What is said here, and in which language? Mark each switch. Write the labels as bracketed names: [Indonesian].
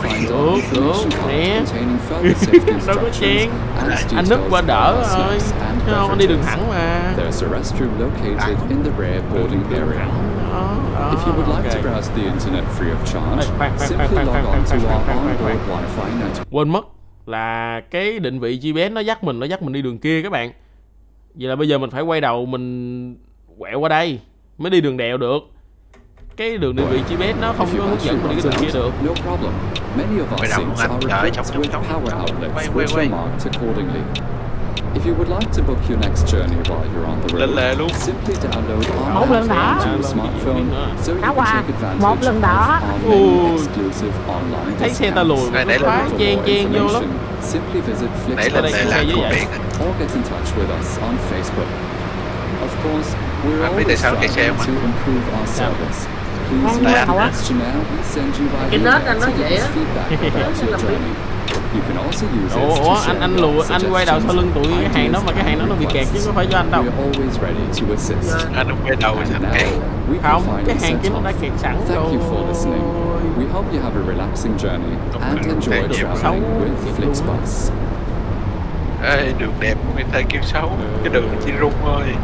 [English] find all information containing further safety instructions and details of our snacks and beverages. There's a restroom located in the rear boarding area. If you would like to browse the internet free of charge, simply log on to our onboard Wi-Fi network. [Vietnamese] Là cái định vị GPS nó dắt mình, nó dắt mình đi đường kia các bạn. Vậy là bây giờ mình phải quay đầu mình quẹo qua đây mới đi đường đèo được. Cái đường định vị GPS nó không có hướng dẫn mình đi cái đường kia được. [English] No problem. Many of our seats are equipped with power outlets which are marked accordingly. If you would like to book your next journey while you're on the road, simply download our app onto your smartphone so you can take advantage of our exclusive online discounts. For more information, simply visit flix.com or get in touch with us on Facebook. Of course, we're always trying to improve our service. Please fill out the questionnaire we send you by email to give us feedback about your journey. [Vietnamese] Ủa anh lùi anh quay đầu sau lưng tụi cái hàng đó mà cái hàng đó nó bị kẹt chứ có phải cho anh đâu. Anh không quay đầu sẵn kẹt. Không, cái hàng kia nó đã kẹt sẵn rồi. [English] We hope you have a relaxing journey and enjoy traveling with Flixbus. [Vietnamese] Ê, đường đẹp người ta kêu xấu, cái đường chỉ rung thôi.